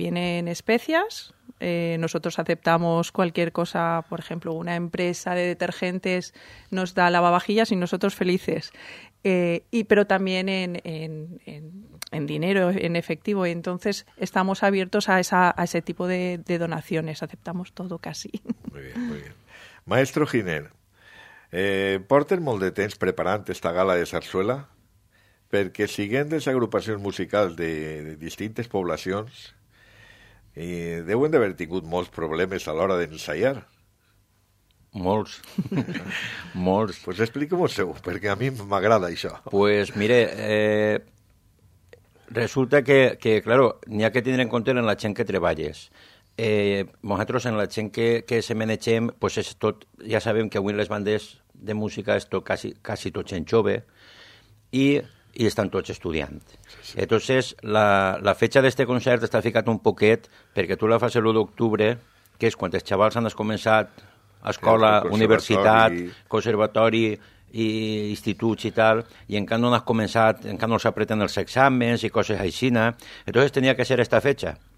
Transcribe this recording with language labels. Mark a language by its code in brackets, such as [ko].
[es] Vienen especias, nosotros aceptamos cualquier cosa, por ejemplo, una empresa de detergentes nos da lavavajillas y nosotros felices. Pero también en dinero, en efectivo. Y entonces estamos abiertos a ese tipo de donaciones. Aceptamos todo casi. Muy bien, muy bien. [ca] Maestro Giner, porten molt de temps preparant esta gala de zarzuela perquè siguent les agrupacions musicals de distintes poblacions deuen d'haver tingut molts problemes a l'hora d'ensaiar. Molts. Molts. Pues explica-m'ho, perquè a mi m'agrada això. Pues mire, resulta que claro, n'hi ha que tindre en compte en la gent que treballes. Nosaltres en la gent que se manegem, pues és tot, ja sabem que avui les bandes de música és tot, quasi tot gent jove, i estan tots estudiant. Sí, sí. Entonces, la fecha d'este concert està ficat un poquet, perquè tu la fas l'1 d'octubre, que és quan els xavals han començat escola, conservatori, universitat, conservatori i instituts i tal, i encara no has començat, encara no s'apreten els exàmens i coses així. [es] Entonces, tenia que ser esta fecha.